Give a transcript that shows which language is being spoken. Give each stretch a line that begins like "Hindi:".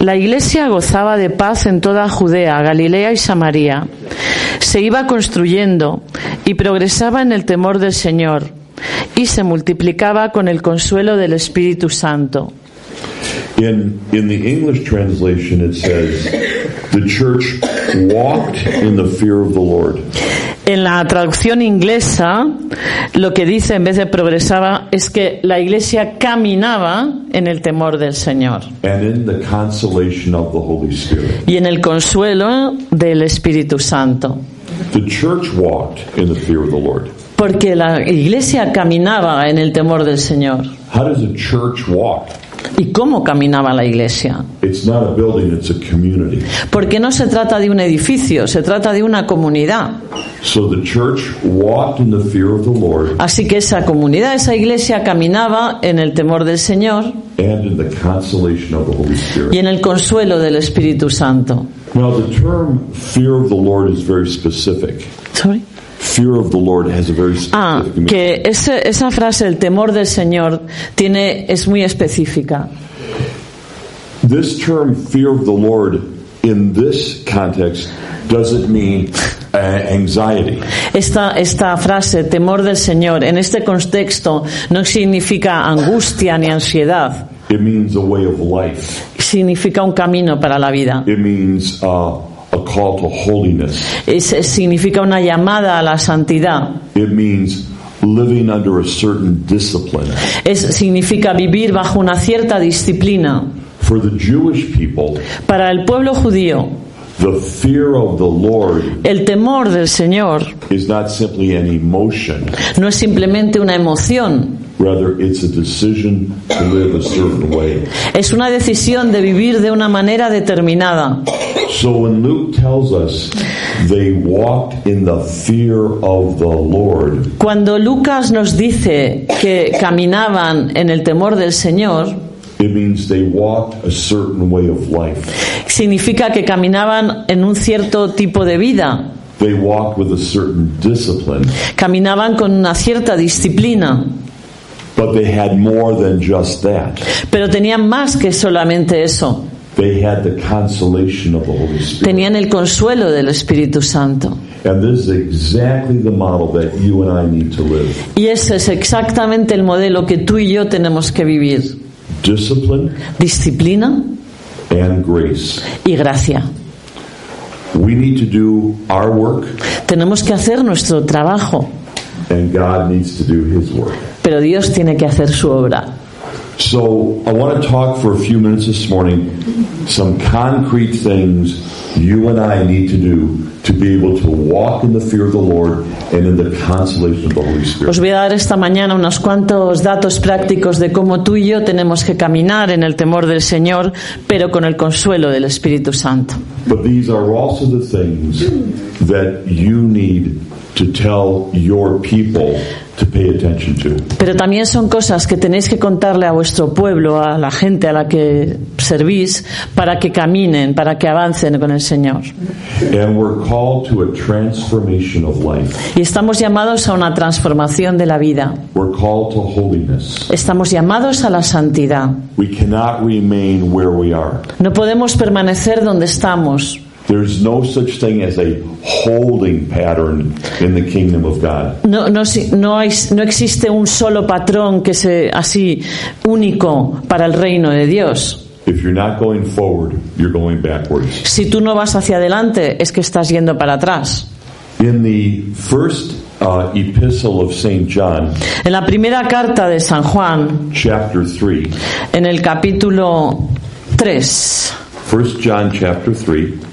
Spanish: La iglesia gozaba de paz en toda Judea, Galilea y Samaria. Se iba construyendo y progresaba en el temor del Señor y se multiplicaba con el consuelo del Espíritu Santo.
English: In the English translation it says the church walked in the fear of the Lord.
Spanish: En la traducción inglesa, lo que dice en vez de progresaba es que la iglesia caminaba en el temor del Señor.
English: And in the consolation of the Holy Spirit.
Spanish: Y en el consuelo del Espíritu Santo.
English: The church walked in the fear of the Lord.
Spanish: Porque la iglesia caminaba en el temor del Señor.
English: How does a church walk?
Spanish: ¿Y cómo caminaba la iglesia?
English: It's not a building, it's a community.
Spanish: Porque no se trata de un edificio, se trata de una comunidad.
English: So the church walked in the fear of the Lord.
Spanish: Así que esa comunidad, esa iglesia caminaba en el temor del Señor.
English: And in the consolation of the Holy Spirit.
Spanish: Y en el consuelo del Espíritu Santo.
English: Now the term fear of the Lord is very specific. Sorry. Fear of the Lord has a very specific meaning.
Spanish: Que esa frase, el temor del Señor, es muy específica.
English: This term, fear of the Lord, in this context, doesn't mean anxiety.
Spanish: Esta frase, temor del Señor, en este contexto, no significa angustia ni ansiedad.
English: It means a way of life.
Spanish: Significa un camino para la vida.
English: It means a call to holiness.
Spanish: Significa una llamada a la santidad.
English: It means living under a certain discipline.
Spanish: Significa vivir bajo una cierta disciplina.
English: For the Jewish people,
Spanish: para el pueblo judío,
English: the fear of the Lord,
Spanish: el temor del Señor,
English: is not simply an emotion.
Spanish: No es simplemente una emoción.
English: Rather, it's a decision to live a certain way.
Spanish: Es una decisión de vivir de una manera determinada.
English: So when Luke tells us they walked in the fear of the Lord,
Spanish: cuando Lucas nos dice que caminaban en el temor del Señor,
English: it means they walked a certain way of life.
Spanish: Significa que caminaban en un cierto tipo de vida.
English: They walked with a certain discipline.
Spanish: Caminaban con una cierta disciplina.
English: But they had more than just that.
Spanish: Pero tenían más que solamente eso.
English: They had the consolation of the Holy Spirit.
Spanish: Tenían el consuelo del Espíritu Santo.
English: And this is exactly the model that you and I need to live.
Spanish: Y ese es exactamente el modelo que tú y yo tenemos que vivir.
English: Discipline.
Spanish: Disciplina.
English: And grace.
Spanish: Y gracia.
English: We need to do our work.
Spanish: Tenemos que hacer nuestro trabajo.
English: And God needs to do His work.
Spanish: Pero Dios tiene que hacer su obra.
English: So I want to talk for a few minutes this morning, some concrete things you and I need to do to be able to walk in the fear of the Lord and in the consolation of the Holy Spirit.
Spanish: Os voy a dar esta mañana unos cuantos datos prácticos de cómo tú y yo tenemos que caminar en el temor del Señor, pero con el consuelo del Espíritu Santo.
English: But these are also the things that you need to tell your people to pay attention to.
Spanish: Pero también son cosas que tenéis que contarle a vuestro pueblo, a la gente a la que servís, para que caminen, para que avancen con el Señor.
English: And we're called to a transformation of life.
Spanish: Y estamos llamados a una transformación de la vida.
English: We're called to holiness.
Spanish: Estamos llamados a la santidad.
English: We cannot remain where we are.
Spanish: No podemos permanecer donde estamos.
English: There's no such thing as a holding pattern in the kingdom of God.
Spanish: No existe un solo patrón que sea así único para el reino de Dios.
English: If you're not going forward, you're going backwards.
Spanish: Si tú no vas hacia adelante, es que estás yendo para atrás.
English: In the first epistle of Saint John,
Spanish: en la primera carta de San Juan,
English: chapter 3,
Spanish: en el capítulo 3,
English: 1 John chapter 3,